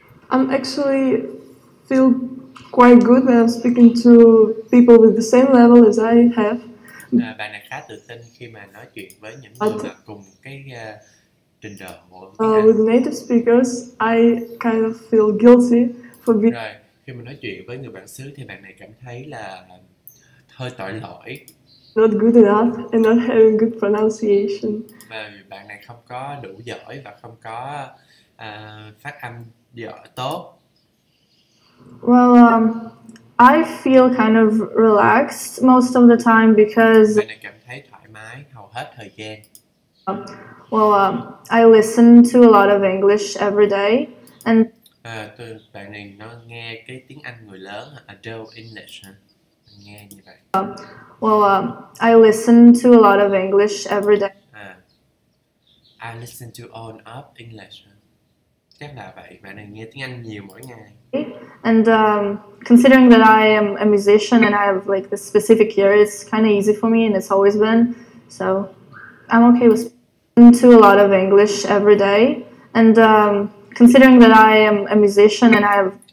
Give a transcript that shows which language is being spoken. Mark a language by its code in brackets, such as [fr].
[en] I'm actually feel quite good when I'm speaking to people with the same level as I have. [vi] Bạn này khá tự tin khi mà nói chuyện với những người cùng cái trình độ của mình. [en] With native speakers, I kind of feel guilty for being. [vi] Rồi khi mà nói chuyện với người bản xứ thì bạn này cảm thấy là hơi tội lỗi. [en] Not good enough and not having good pronunciation. [vi] Và bạn này không có đủ giỏi và không có phát âm giỏi tốt. [en] Well, I feel kind of relaxed most of the time because [vi] bạn này cảm thấy thoải mái hầu hết thời gian. [en] Well, I listen to a lot of English every day and [vi] tôi bạn này nó nghe cái tiếng Anh người lớn, [en] adult English huh? [vi] Nghe như vậy. [en] Well, I listen to a lot of English every day. I listen to all of English. [vi] Chắc là vậy, bạn này nghe tiếng Anh nhiều mỗi ngày. [en] And considering that I am a musician and I have like this specific ear, it's kind of easy for me and it's always been. So I'm okay with listening to a lot of English every day. And considering that I am a musician and I have